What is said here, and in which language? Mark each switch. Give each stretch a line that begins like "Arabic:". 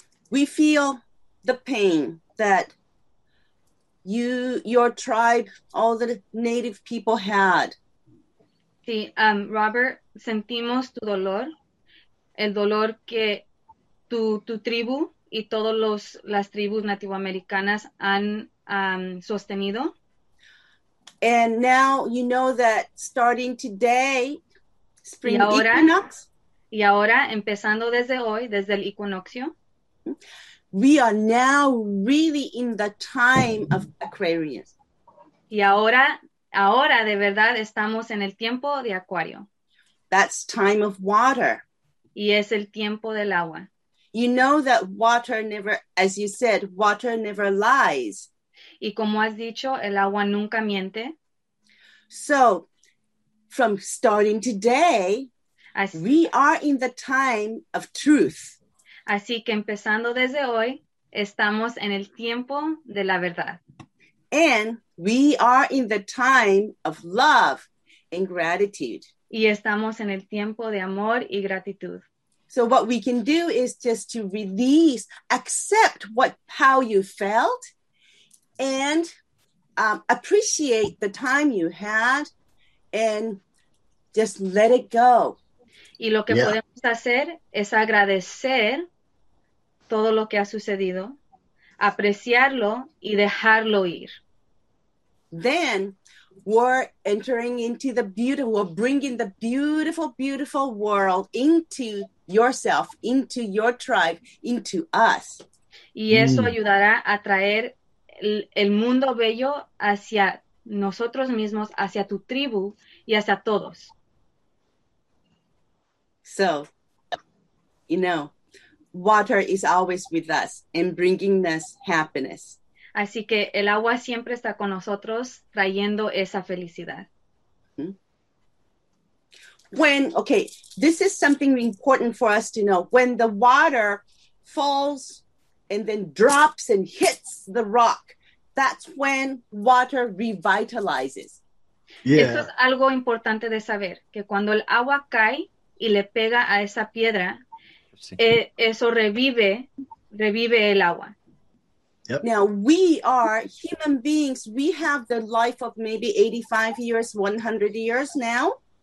English: We feel the pain that you, your tribe, all the native people had.
Spanish: Sí, Robert, sentimos tu dolor, el dolor que tu tribu y todos los las tribus nativoamericanas han sostenido.
English: And now you know that starting today, spring equinox.
Spanish: Y ahora, empezando desde hoy, desde el equinoccio,
English: we are now really in the time of Aquarius.
Spanish: Y ahora de verdad estamos en el tiempo de Acuario.
English: That's time of water.
Spanish: Y es el tiempo del agua.
English: You know that water never, as you said, water never lies.
Spanish: Y como has dicho, el agua nunca miente.
English: So, from starting today, we are in the time of truth.
Spanish: Así que empezando desde hoy, estamos en el tiempo de la verdad.
English: And we are in the time of love and gratitude.
Spanish: Y estamos en el tiempo de amor y gratitud.
English: So what we can do is just to release, accept what how you felt, and appreciate the time you had, and just let it go.
Spanish: Y lo que podemos hacer es agradecer todo lo que ha sucedido, apreciarlo y dejarlo ir.
English: Then we're entering into the beautiful, we're bringing the beautiful, beautiful world into yourself, into your tribe, into us.
Spanish: Y eso ayudará a traer el mundo bello hacia nosotros mismos, hacia tu tribu y hacia todos.
English: So, you know, water is always with us and bringing us happiness.
Spanish: Así que el agua siempre está con nosotros trayendo esa felicidad.
English: When, okay, this is something important for us to know. When the water falls and then drops and hits the rock, that's when water revitalizes. Yeah.
Spanish: Eso es algo importante de saber, que cuando el agua cae y le pega a esa piedra, eso revive el agua.
English: Yep. Now, we are human beings. We have the life of maybe 85 years, 100 years now.